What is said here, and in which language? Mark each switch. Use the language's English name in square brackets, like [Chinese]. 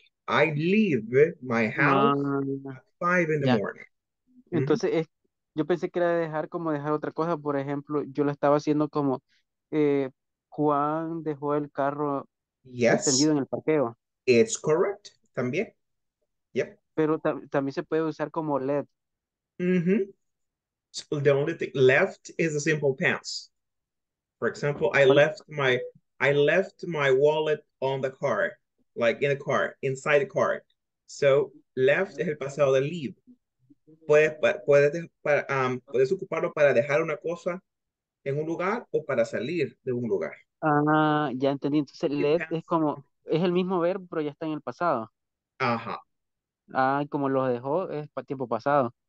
[English] I leave my house at 5 in the yeah. morning. [Spanish] Entonces, mm-hmm. Yo pensé que era dejar como dejar otra cosa. Por ejemplo, yo lo estaba haciendo como Juan dejó el carro encendido en el parqueo. [English] It's correct. [Spanish] También. [English] Yep. [Spanish] Pero también se puede usar como let. [English] Mm-hmm. So the only thing left is a simple tense. For example, I left my wallet on the car, like in the car, inside the car. So left [Spanish] es el pasado de [English] leave. [Spanish] Puedes ocuparlo para dejar una cosa en un lugar o para salir de un lugar. Ah, ya entendí. Entonces left es como es el mismo verbo pero ya está en el pasado. Ajá. Ah, como lo dejó es para tiempo pasado.